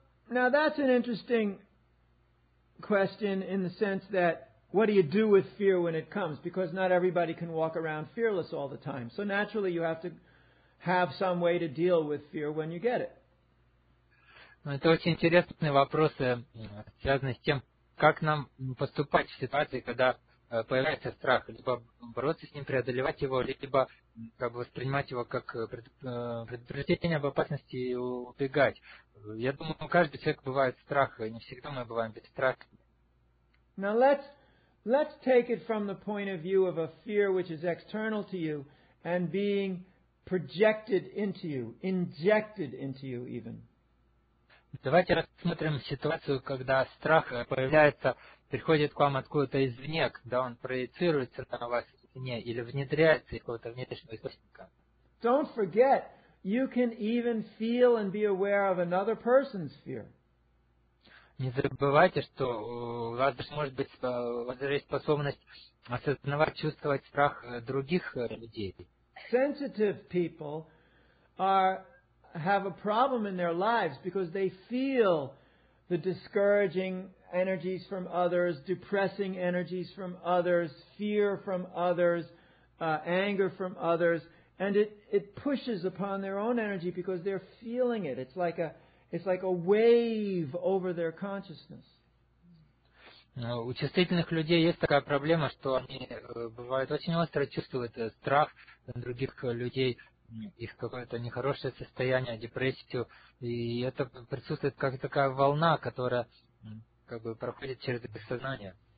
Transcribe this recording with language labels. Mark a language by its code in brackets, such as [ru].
[en] Now that's an interesting question in the sense that what do you do with fear when it comes? Because not everybody can walk around fearless all the time. So naturally, you have to have some way to deal with fear when you get it. [ru] Это очень интересный вопрос, связанный с тем, как нам поступать в ситуации, когда появляется страх, либо бороться с ним, преодолевать его, либо как бы воспринимать его как предупреждение об опасности и убегать. Я думаю, у каждого человека бывает страх, и не всегда мы бываем без страха. [en] Now let's take it from the point of view of a fear which is external to you and being projected into you, injected into you even. [ru] Давайте рассмотрим ситуацию, когда страх появляется, приходит к вам откуда-то извне, когда он проецируется на вас извне или внедряется из какого-то внешнего источника. [en] Don't forget, you can even feel and be aware of another person's fear. [ru] Не забывайте, что у вас даже может быть способность осознавать, чувствовать страх других людей. [en] Sensitive people have a problem in their lives because they feel the discouraging energies from others, depressing energies from others, fear from others, anger from others, and it pushes upon their own energy because they're feeling it. It's like a wave over their consciousness. [ru] У чувствительных людей есть такая проблема, что они бывают очень остро чувствуют страх других людей. Их какое-то нехорошее состояние, депрессию, и это присутствует как такая волна, которая как бы проходит через их сознание.